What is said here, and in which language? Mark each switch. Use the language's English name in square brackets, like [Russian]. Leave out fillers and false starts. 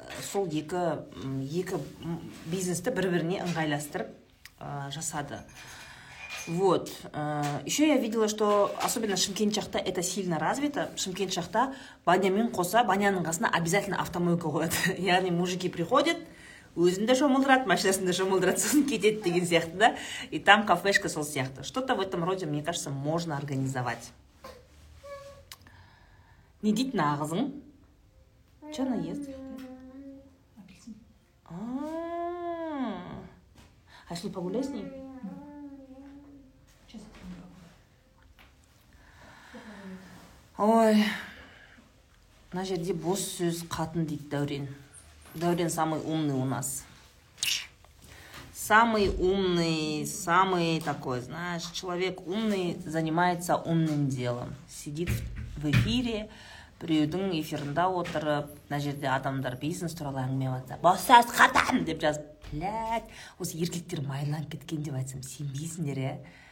[Kazakh] Сол екі бизнесті бір-біріне ыңғайластырып жасады. [Russian] Вот. Еще я видела, что особенно [Kazakh] Шымкент жақта [Russian] это сильно развито. [Kazakh] Шымкент жақта банямен қоса баняның қасына обязательно автомойка қояды. Яғни [Russian] мужики приходят, [Kazakh] өзінде шомылдырат, машинасында шомылдырат, сосын кетет деген сияқты да. [Russian] И там кафешка [Kazakh] сол сияқты. [Russian] Что-то в этом роде, мне кажется, можно организовать. [Kazakh] Не дейді нағызың? [Russian] Че она ест? А если погулять с ней? [Kazakh] Ой, мына жерде бос сөз қатын дейді Дәурен. [Russian] Дәурен самый умный у нас. Самый умный, самый такой, знаешь, человек умный, занимается умным делом. Сидит в эфире, [Kazakh] біреудің эфирінде отырып, мына жерде адамдар бизнес туралы әңгіме айтса, бос сөз қатын деп жазып, блядь, осы еркектер майланып кеткен деп айтсам, сенбейсіңдер, иә?